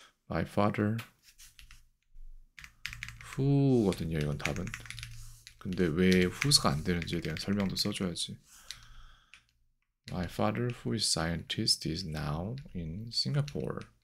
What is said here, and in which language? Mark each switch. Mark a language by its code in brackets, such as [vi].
[en] My father who거든요. [ko] 이건 답은. 근데 왜 who가 안 되는지에 대한 설명도 써줘야지. [en] My father who is scientist is now in Singapore.